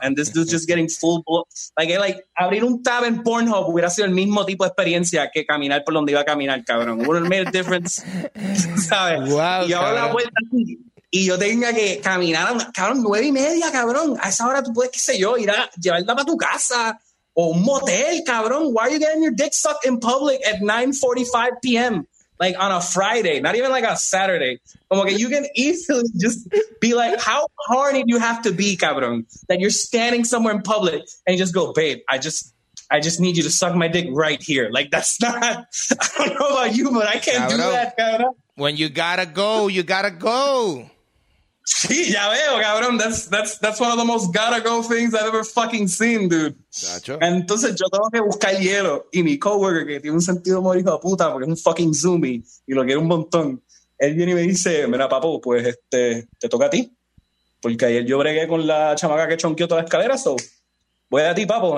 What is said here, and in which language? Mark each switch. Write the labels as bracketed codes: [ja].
[en] And this dude's just getting full blown. Like, [es] abrir un tab en Pornhub hubiera sido el mismo tipo de experiencia que caminar por donde iba a caminar, cabrón. [en] Wouldn't make a difference, ¿sabes? Wow, [es] y ahora la vuelta aquí. Y yo tenía que caminar, cabrón, 9:30, cabrón. A esa hora tú puedes, qué sé yo, ir a llevarla para tu casa o un motel, cabrón. [en] Why are you getting your dick sucked in public at 9:45 p.m.? Like on a Friday, not even like a Saturday. [es] Como que [en] you can easily just be like, how horny do you have to be, cabrón? That you're standing somewhere in public and you just go, babe, I just need you to suck my dick right here. Like that's not, I don't know about you, but I can't cabrón. Do that, cabrón. When you gotta go, you gotta go. [es] Sí, ya veo, cabrón. [en] That's one of the most gotta go things I've ever fucking seen, dude. Gotcha. [es] Entonces yo tengo que buscar hielo y mi coworker que tiene un sentido morir de puta porque es un fucking zoomie y lo quiere un montón. Él viene y me dice, mira, papo, pues te toca a ti. Porque ayer yo bregué con la chamaca que chonqueó toda la escalera, so voy a ti, papo.